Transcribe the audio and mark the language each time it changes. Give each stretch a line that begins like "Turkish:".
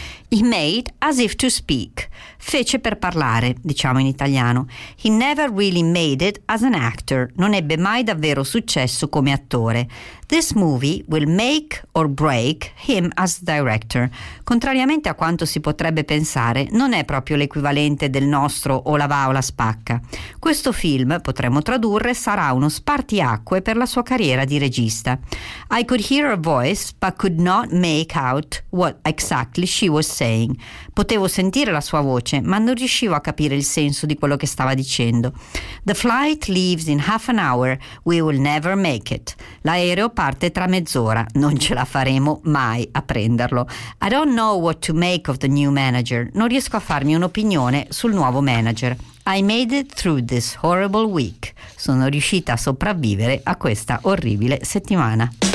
English: He made as if to speak.
Italian: Fece per parlare, diciamo in italiano.
English: He never really made it as an actor.
Italian: Non ebbe mai davvero successo come attore.
English: This movie will make or break him as director.
Italian: Contrariamente a quanto si potrebbe pensare, non è proprio l'equivalente del nostro o la va o la spacca. Questo film, potremmo tradurre, sarà uno spartiacque per la sua carriera di regista.
English: I could hear her voice, but could not make out what exactly she was saying.
Italian: Potevo sentire la sua voce, ma non riuscivo a capire il senso di quello che stava dicendo.
English: The flight leaves in half an hour. We will never make it.
Italian: L'aereo parte tra mezz'ora, non ce la faremo mai a prenderlo.
English: I don't know what to make of the new manager.
Italian: Non riesco a farmi un'opinione sul nuovo manager.
English: I made it through this horrible week.
Italian: Sono riuscita a sopravvivere a questa orribile settimana.